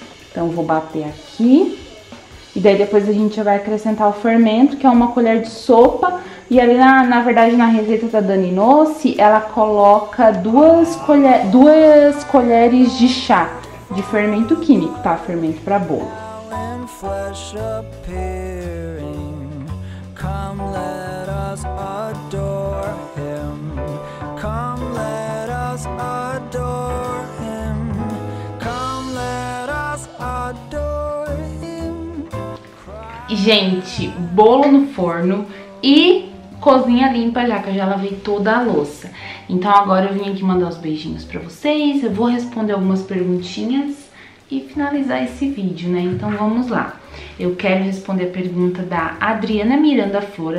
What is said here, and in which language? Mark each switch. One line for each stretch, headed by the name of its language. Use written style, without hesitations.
Portuguese: Então vou bater aqui. E daí depois a gente vai acrescentar o fermento, que é uma colher de sopa. E ali, na verdade, na receita da Dani Noce, ela coloca duas colheres de chá de fermento químico, tá? Fermento pra bolo.
English: Flesh appearing, come let us adore him, come let us adore him, come let us adore him.
Portuguese: Gente, bolo no forno e cozinha limpa, já que eu já lavei toda a louça. Então agora eu vim aqui mandar os beijinhos pra vocês, eu vou responder algumas perguntinhas e finalizar esse vídeo, né? Então vamos lá. Eu quero responder a pergunta da Adriana Miranda Flora.